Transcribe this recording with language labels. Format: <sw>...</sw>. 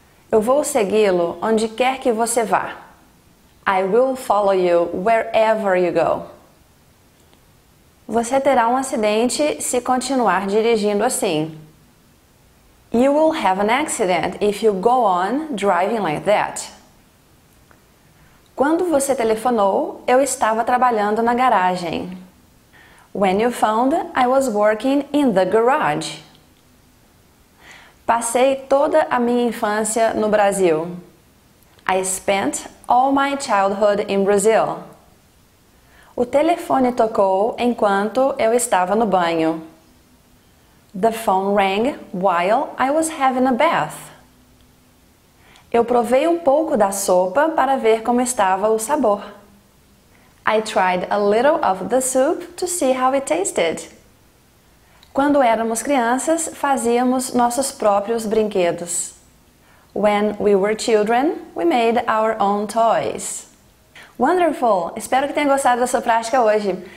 <pt>Eu vou segui-lo onde quer que você vá.</pt> <en>I will follow you wherever you go.</en> <pt>Você terá um acidente se continuar dirigindo assim.</pt> <en>You will have an accident if you go on driving like that.</en> <pt>Quando você telefonou, eu estava trabalhando na garagem.</pt> <en>When you phoned, I was working in the garage.</en> <pt>Passei toda a minha infância no Brasil.</pt> <en>I spent all my childhood in Brazil.</en> <pt>O telefone tocou enquanto eu estava no banho.</pt> <en>The phone rang while I was having a bath.</en> <pt>Eu provei um pouco da sopa para ver como estava o sabor.</pt> <en>I tried a little of the soup to see how it tasted.</en> <pt>Quando éramos crianças, fazíamos nossos próprios brinquedos.</pt> <en>When we were children, we made our own toys. Wonderful!</en> <pt>Espero que tenha gostado da sua prática hoje.</pt>